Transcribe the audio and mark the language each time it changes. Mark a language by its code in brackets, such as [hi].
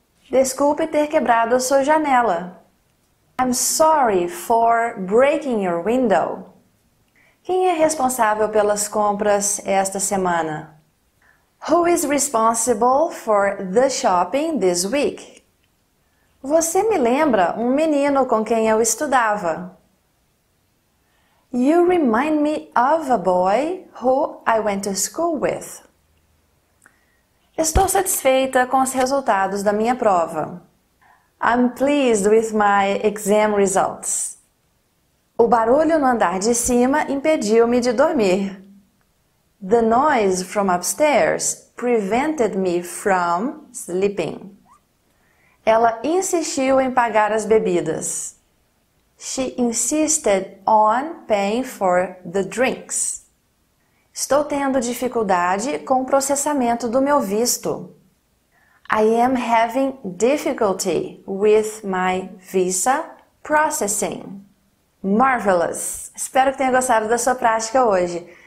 [pt] Desculpe ter quebrado a sua janela. [en] I'm sorry for breaking your window. [pt] Quem é responsável pelas compras esta semana? [en] Who is responsible for the shopping this week? [pt] Você me lembra um menino com quem eu estudava. [en] You remind me of a boy who I went to school with. [pt] Estou satisfeita com os resultados da minha prova. [en] I'm pleased with my exam results. [pt] O barulho no andar de cima impediu-me de dormir. [en] The noise from upstairs prevented me from sleeping. [pt] Ela insistiu em pagar as bebidas. [en] She insisted on paying for the drinks. [pt] Estou tendo dificuldade com o processamento do meu visto. [en] I am having difficulty with my visa processing. Marvelous! [pt] Espero que tenha gostado da sua prática hoje.